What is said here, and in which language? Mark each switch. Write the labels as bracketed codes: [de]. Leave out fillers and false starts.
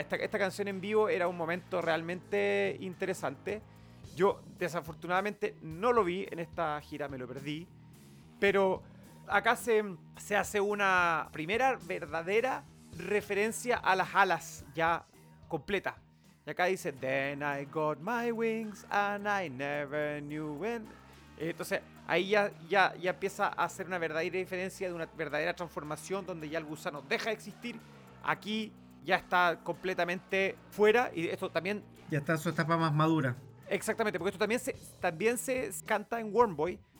[es] Esta canción en vivo era un momento realmente interesante. Yo, desafortunadamente, no lo vi en esta gira, me lo perdí. Pero acá se hace una primera verdadera referencia a las alas ya completa. Y acá dice, [en] then I got my wings and I never knew when. [es] Entonces, ahí ya empieza a hacer una verdadera diferencia, de una verdadera transformación, donde ya el gusano deja de existir. Aquí ya está completamente fuera, y esto también... Ya está en su etapa más madura. Exactamente, porque esto también se canta en Warm Boy,